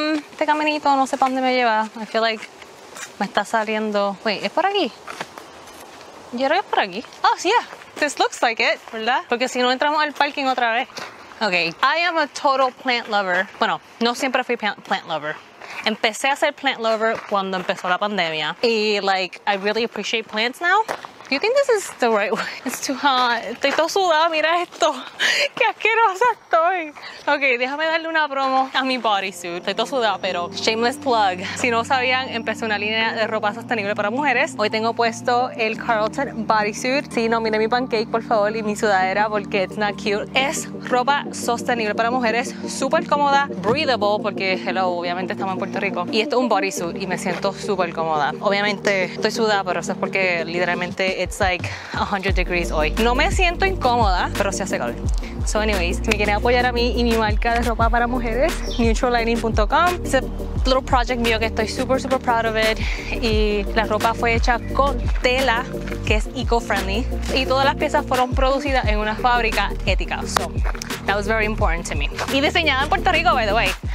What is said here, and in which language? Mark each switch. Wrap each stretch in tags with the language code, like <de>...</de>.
<es>Este caminito no sé para dónde me lleva.</es> <en>I feel like</en> <es>me está saliendo.</es> <en>Wait,</en> <es>¿es por aquí? Yo creo que es por aquí.</es> <en>Oh,</en> <es>sí,</es> <en>yeah. This looks like it,</en> <es>¿verdad? Porque si no entramos al parking otra vez.</es> <en>Ok, I am a total plant lover.</en> <es>Bueno, no siempre fui plant lover. Empecé a ser plant lover cuando empezó la pandemia. Y,</es> <en>like, I really appreciate plants now. Do you think this is the right way? It's too hot.</en> <es>Estoy todo sudado, mira esto. Qué asquerosa estoy. Ok, déjame darle una promo a mi bodysuit. Estoy todo sudado, pero</es> <en>shameless plug.</en> <es>Si no sabían, empecé una línea de ropa sostenible para mujeres. Hoy tengo puesto el Carlton bodysuit. Sí, no, mire mi pancake, por favor, y mi sudadera, porque</es> <en>it's not cute.</en> <es>Es ropa sostenible para mujeres, súper cómoda, breathable, porque,</es> <en>hello,</en> <es>obviamente estamos en Puerto Rico. Y esto es un bodysuit y me siento súper cómoda. Obviamente estoy sudada, pero eso es porque literalmente</es> <en>it's like 100 degrees</en> <es>hoy. No me siento incómoda, pero sí hace calor.</es> <en>So anyways,</en> <es>si me quieren apoyar a mí y mi marca de ropa para mujeres, neutrallining.com.</es> <en>It's a little project</en> <es>mío que estoy</es> <en>super super proud of it.</en> <es>Y la ropa fue hecha con tela que es eco-friendly, y todas las piezas fueron producidas en una fábrica ética.</es> <en>So that was very important to me.</en> <es>Y diseñada en Puerto Rico,</es> <en>by the way.</en>